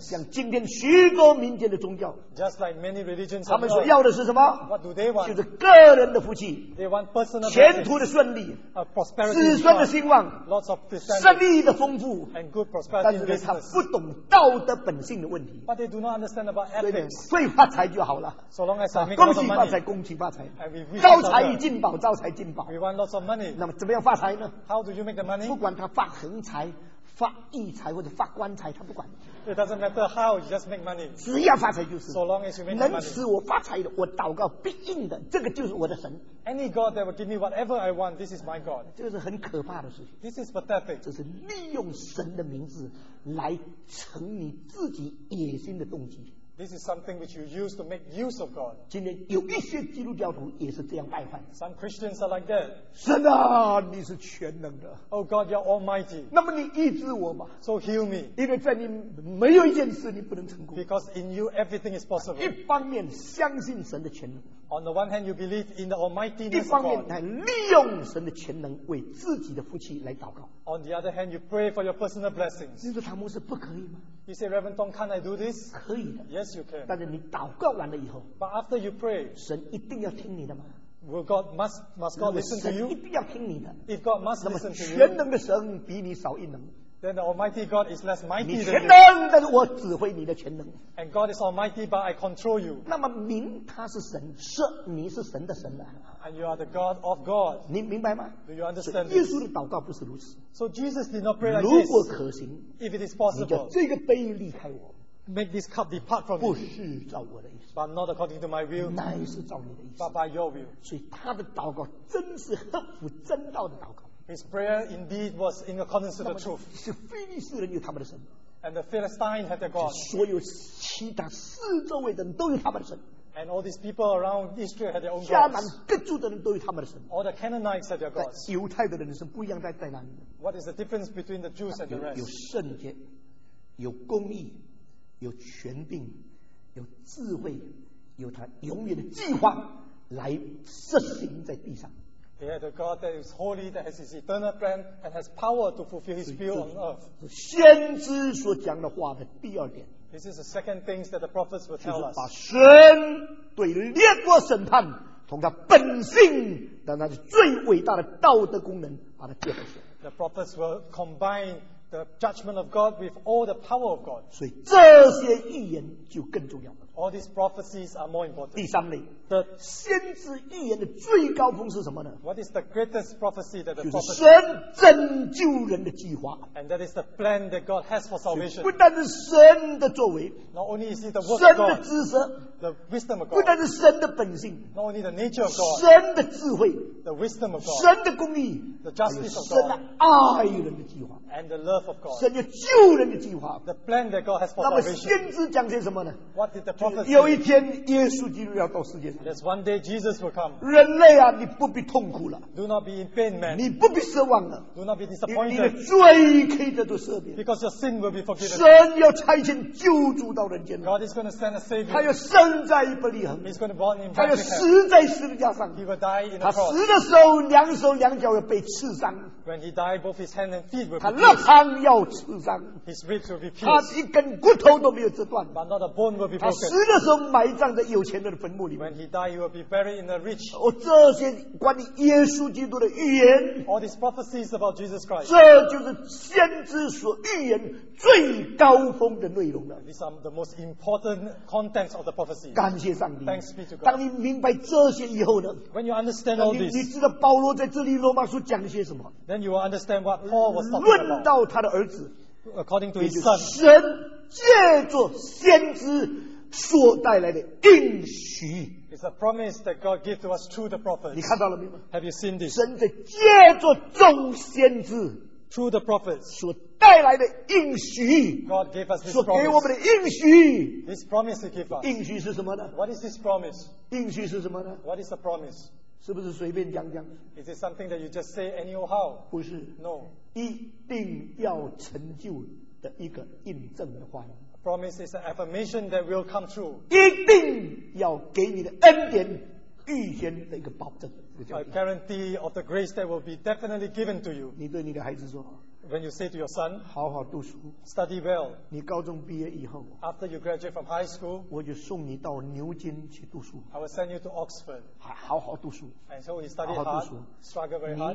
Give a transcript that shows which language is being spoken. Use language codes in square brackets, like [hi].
[zh] 像今天许多民间的宗教。 [en] Just like many religions. [zh] 他们所要的是什么？ [en] What do they want? [zh] 就是个人的福气。 [en] They want personal. [zh] 前途的顺利。子孙的兴旺，生意的丰富，但是他不懂道德本性的问题。 [en] But they do not understand about ethics. [zh] 所以发财就好了。 [en] So long as I make [zh] 恭喜发财，恭喜发财。 [en] And we wish [zh] 招财进宝，招财进宝。 [en] We want lots of money. [zh] 那么怎么样发财呢？ [en] How do you make the money? [zh] 不管他发横财、发异财或者发官财，他不管。 [en] It doesn't matter how you just make money. [zh] 只要发财就是。 [en] So long as you make money. [zh] 能使我发财的，我祷告必应的，这个就是我的神。 [en] Any God that will give me whatever I want, this is my God. [zh] 这是很可怕的事情。 [en] This is pathetic. [zh] 这是利用神的名字来成你自己野心的动机。 [en] This is something which you use to make use of God. [zh] 今天有一些基督教徒也是这样拜犯。 [en] Some Christians are like that. [zh] 神啊，你是全能的。 [en] Oh God, you're Almighty. [zh] 那么你医治我吧。 [en] So heal me. [zh] 因为在你没有一件事你不能成功。 [en] Because in you everything is possible. [zh] 一方面相信神的全能。 [en] On the one hand, you believe in the Almighty. [zh] 一方面来利用神的全能为自己的福气来祷告。 [en] On the other hand, you pray for your personal blessings. [zh] 你说唐牧师不可以吗？ [en] You say, Reverend Tong, can I do this? [zh] 可以的。 [en] Yes, you can. [zh] 但是你祷告完了以后。 [en] But after you pray. [zh] 神一定要听你的吗？ [en] Will God, must God listen to you? [zh] 神一定要听你的。 [en] If God must listen to you. [zh] 全能的神比你少一能。 [en] Then the Almighty God is less mighty than you. [zh] 你全能，但是我指挥你的全能。 [en] And God is Almighty, but I control you. [zh] 那么明他是神，是你是神的神啊。 [en] And you are the God of God. [zh] 你明白吗？ [en] Do you understand? [zh] 耶稣的祷告不是如此。 [en] So Jesus did not pray like this. [zh] 如果可行， [en] if it is possible, [zh] 你叫这个杯离开我。 [en] Make this cup depart from me. [zh] 不是照我的意思。 [en] But not according to my will. [zh] 乃是照你的意思。 [en] But by your will. [zh] 所以他的祷告真是合乎真道的祷告。 [en] His prayer indeed was in accordance with the truth. [zh] 是非利士人有他们的神。 [en] And the Philistine had their God. [zh] 所有其他四周围的人都有他们的神。 [en] And all these people around Israel had their own gods. [zh] 迦南各族的人都有他们的神。 [en] All the Canaanites had their gods. [zh] 犹太的人的神不一样在哪里？ [en] What is the difference between the Jews and the rest? [zh] 有圣洁，有公义，有权柄，有智慧，有他永远的计划来实行在地上。 [en] Yeah, the God that is holy, that has his eternal plan, and has power to fulfill his will on earth. [zh] 先知所讲的话的第二点。 [en] This is the second thing that the prophets will tell us. [zh] 把神对列国审判，从他本性到他最伟大的道德功能，把它结合起来。 [en] The prophets will combine the judgment of God with all the power of God. [zh] 所以这些预言就更重要。 [en] All these prophecies are more important. [zh] 第三类，先知预言的最高峰是什么呢？ [en] What is the greatest prophecy that the prophet? [zh] 就是神拯救人的计划。 [en] And that is the plan that God has for salvation. [zh] 不但是神的作为， [en] Not only is it the work of God. [zh] 神的知识， [en] The wisdom of God. [zh] 不但是神的本性， [en] Not only the nature of God. [zh] 神的智慧， [en] The wisdom of God. [zh] 神的公义， [en] The justice of God. [zh] 神的爱人的计划， [en] And the love of God. [zh] 神要救人的计划， [en] The plan that God has for salvation. [zh] 那么先知讲些什么呢？ [en] What did the prophet? [zh] 有一天耶稣基督要到世界上。 [en] There's one day Jesus will come. [zh] 人类啊，你不必痛苦了。 [en] Do not be in pain, man. [zh] 你不必失望了。 [en] Do not be disappointed. [zh] 你的罪可以得到赦免。 [en] Because your sin will be forgiven. [zh] 神要差遣救主到人间。 [en] God is going to send a savior. [zh] 他要生在伯利恒。 [en] He's going to be born in Bethlehem. [zh] 他要死在十字架上。 [en] He will die in the cross. [zh] 他死的时候，两手两脚要被刺伤。 [en] When he died, both his hands and feet will. [zh] 他肋旁要刺伤。 [en] His ribs will be pierced. [zh] 他一根骨头都没有折断。 [en] But not a bone will be broken. [zh] 他死的时候埋葬在有钱人的坟墓里面。 [en] He died, he will be buried in the rich. [zh] 这些关于耶稣基督的预言， [en] All these prophecies about Jesus Christ. [zh] 这就是先知所预言最高峰的内容了。 [en] These are the most important contents of the prophecy. [zh] 感谢上帝。 [en] Thanks be to God. [zh] 当你明白这些以后呢？ [en] When you understand all this, [zh] 你知道保罗在这里罗马书讲些什么？ [en] Then you will understand what Paul was talking about. [zh] 论到他的儿子， [en] According to his son, [zh] 神借着先知所带来的应许。 [en] It's a promise that God gave to us through the prophets. [zh] 你看到了没有？ [en] Have you seen this? [zh] 神的借着众先知 [en] through the prophets [zh] 所带来的应许。 [en] God gave us this [zh] 所给我们的应许。 [en] This promise he gave us. [zh] 应许是什么呢？ [en] What is this promise? [zh] 应许是什么呢？ [en] What is the promise? [zh] 是不是随便讲讲？ [en] Is it something that you just say anyhow? [zh] 不是。 [en] No. [zh] 一定要成就的一个印证的话语。 [en] Promise is an affirmation that will come true. [zh] 一定要给你的恩典预先的一个保证。 [en] A guarantee of the grace that will be definitely given to you. [zh] 你对你的孩子说， [en] When you say to your son, [zh] 好好读书， [en] study well. [zh] 你高中毕业以后， [en] after you graduate from high school, [zh] 我就送你到牛津去读书。 [en] I will send you to Oxford. [zh] 好好读书。 [en] And so he studied hard, struggled very hard.